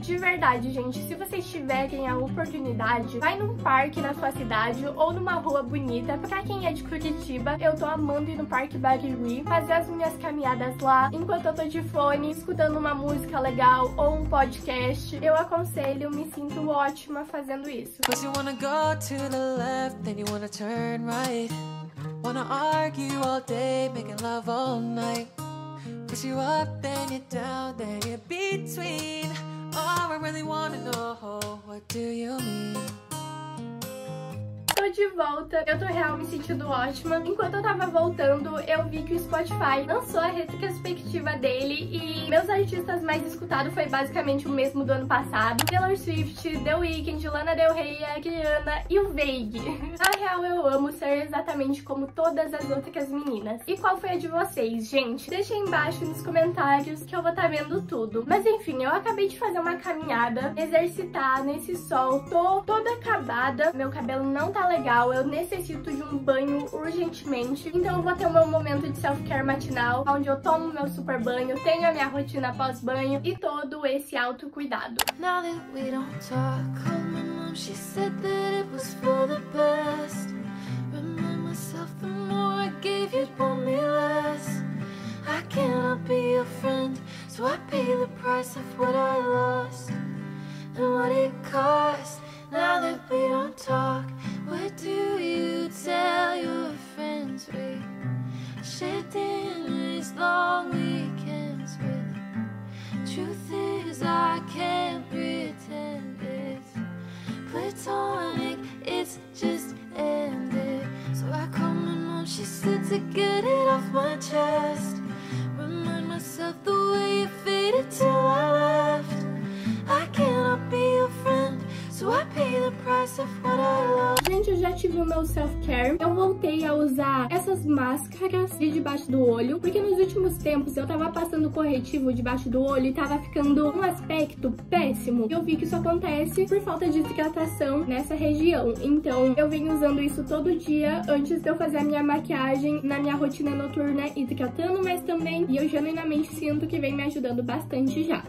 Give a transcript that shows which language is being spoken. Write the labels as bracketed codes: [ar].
[pt] De verdade, gente, se vocês tiverem a oportunidade, vai num parque na sua cidade ou numa rua bonita. Pra quem é de Curitiba, eu tô amando ir no Parque Barigui, fazer as minhas caminhadas lá, enquanto eu tô de fone escutando uma música legal ou um podcast. Eu aconselho, me sinto ótima fazendo isso. [en] Cause you wanna go to the left, then you wanna turn right. Wanna argue all day, making love all night. Push you up, then you're down, then you're between. Oh, I really wanna know, what do you mean? [pt] De volta, eu tô real me sentindo ótima. Enquanto eu tava voltando, eu vi que o Spotify lançou a retrospectiva dele e meus artistas mais escutados foi basicamente o mesmo do ano passado. Taylor Swift, The Weeknd, Lana Del Rey, Ariana e o Vague. Na real, eu amo ser exatamente como todas as outras meninas. E qual foi a de vocês, gente? Deixa aí embaixo nos comentários que eu vou estar vendo tudo. Mas enfim, eu acabei de fazer uma caminhada, exercitar nesse sol. Tô toda acabada, meu cabelo não tá legal, eu necessito de um banho urgentemente, então eu vou ter o meu momento de self-care matinal, onde eu tomo meu super banho, tenho a minha rotina pós-banho e todo esse autocuidado. [en] Now that we don't talk, oh, my mom, she said that it was for the best. Remind myself the more I gave you, told me less. I cannot be your friend, so I pay the price of what I lost and what it cost. Now that we don't talk, what do you tell your friends? We shared dinners, long weekends with. Truth is, I can't pretend it's platonic, it's just ended. So I call my mom, she said, to get it off my chest. Remind myself the way it faded till I left. I cannot be your friend, so I pay the price of what I love. [pt] Gente, eu já tive o meu self-care. Eu voltei a usar essas máscaras de debaixo do olho, porque nos últimos tempos eu tava passando corretivo debaixo do olho e tava ficando um aspecto péssimo. Eu vi que isso acontece por falta de hidratação nessa região. Então eu venho usando isso todo dia antes de eu fazer a minha maquiagem, na minha rotina noturna, hidratando, mas também, e eu genuinamente sinto que vem me ajudando bastante já.